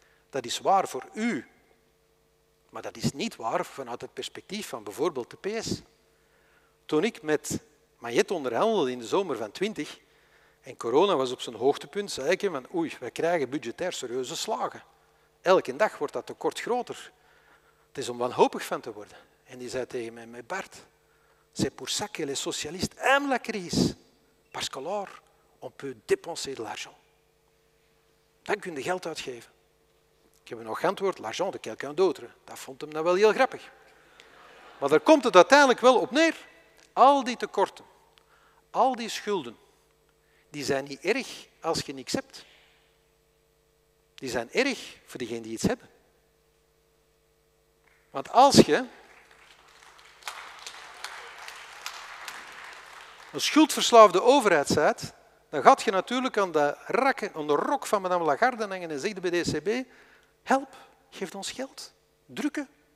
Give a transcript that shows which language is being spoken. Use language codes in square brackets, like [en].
[nl] Dat is waar voor u. Maar dat is niet waar vanuit het perspectief van bijvoorbeeld de PS. Toen ik met Magnet onderhandelde in de zomer van 20 en corona was op zijn hoogtepunt, zei ik van oei, wij krijgen budgetair serieuze slagen. Elke dag wordt dat tekort groter. Het is om wanhopig van te worden. En die zei tegen mij, [fr] Bart, c'est pour ça que les socialistes aiment la crise. Parce que là, on peut dépenser de l'argent. [nl] Dan kun je geld uitgeven. Ik heb nog geantwoord, [fr] l'argent de quelqu'un d'autre. [nl] Dat vond hem dan wel heel grappig. Maar daar komt het uiteindelijk wel op neer. Al die tekorten, al die schulden, die zijn niet erg als je niks hebt. Die zijn erg voor diegenen die iets hebben. Want als je een schuldverslaafde overheid bent, dan gaat je natuurlijk aan de rok van madame Lagarde hangen en zegt bij de ECB, help, geef ons geld. Drukken.